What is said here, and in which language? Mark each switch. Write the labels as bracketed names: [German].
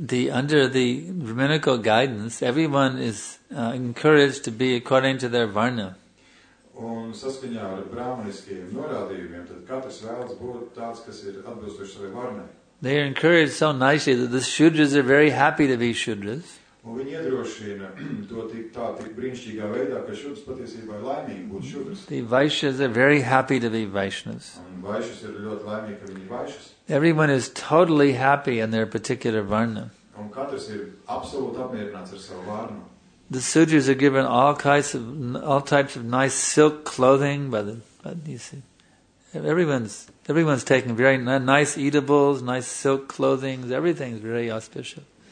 [English] Under the brahminical guidance, everyone is encouraged to be according to their varna. [Latvian] Un saskaņā ar brāmaniskajiem norādījumiem, tad katrs vēlas būt tāds, kas ir atbilstošs savai varnai. [English] They are encouraged so nicely that the shudras are very happy to be shudras. [Latvian] Un viņi iedrošina to tik brīnišķīgā veidā, ka shudras patiesībā ir laimīgi būt shudras. [English] The vaishyas are very happy to be vaishnavas. [Latvian] Un vaishyas ir ļoti laimīgi, ka viņi ir vaishyas. [English] Everyone is totally happy in their particular varna. [Latvian] Un katrs ir absolūti apmierināts ar savu varnu. [English] The sudras are given all types of nice silk clothing, but you see, everyone's taking very nice eatables, nice silk clothing, everything's very auspicious.